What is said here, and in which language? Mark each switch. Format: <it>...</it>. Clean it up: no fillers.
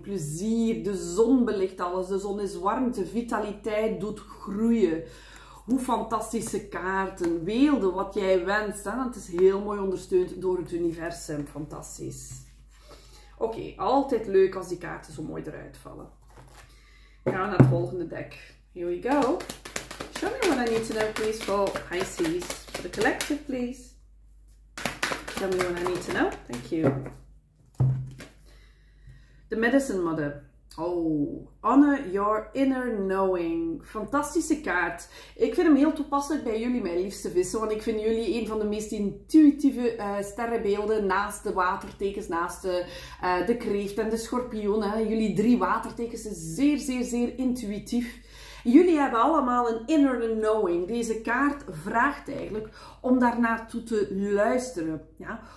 <nl>Plezier, de zon belicht alles. De zon is warmte, vitaliteit doet groeien. Hoe fantastische kaarten. Weelde wat jij wenst. Het is heel mooi ondersteund door het universum. Fantastisch. Oké, altijd leuk als die kaarten zo mooi eruit vallen. Gaan we naar het volgende deck.</nl> <en>Here we go. Show me what I need to know, please, for Pisces. For the collective, please. Show me what I need to know. Thank you. The Medicine Mother. Oh, honor your inner knowing.</en> <nl>Fantastische kaart. Ik vind hem heel toepasselijk bij jullie, mijn liefste vissen. Want ik vind jullie een van de meest intuïtieve sterrenbeelden. Naast de watertekens, naast de kreeft en de schorpioen. Jullie drie watertekens zijn zeer, zeer, zeer intuïtief. Jullie hebben allemaal een</nl> <en>inner knowing.</en> <nl>Deze kaart vraagt eigenlijk om daarnaartoe te luisteren. Ja?</nl>